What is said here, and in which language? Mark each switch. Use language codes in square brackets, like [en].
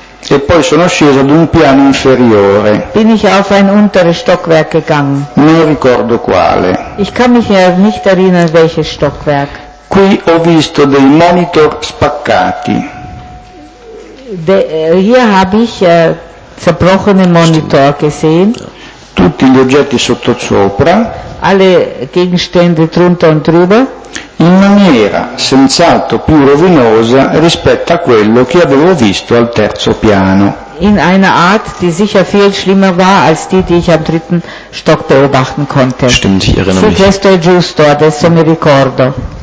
[it] E poi sono sceso ad un piano inferiore. [de] Bin ich auf ein unteres Stockwerk gegangen. [it] Non ricordo quale. [de] Ich kann mich nicht erinnern, welches Stockwerk. [it] Qui ho visto dei monitor spaccati. [de] Hier habe ich zerbrochene Monitor gesehen. [it] Tutti gli oggetti sotto sopra. [de] Alle Gegenstände drunter und drüber. [it] In maniera senz'altro più rovinosa rispetto a quello che avevo visto al terzo piano. [de] In einer Art, die sicher viel schlimmer war als die, die ich am dritten Stock beobachten konnte. Stimmt, ich erinnere mich. [it] Questo è giusto, adesso mi ricordo.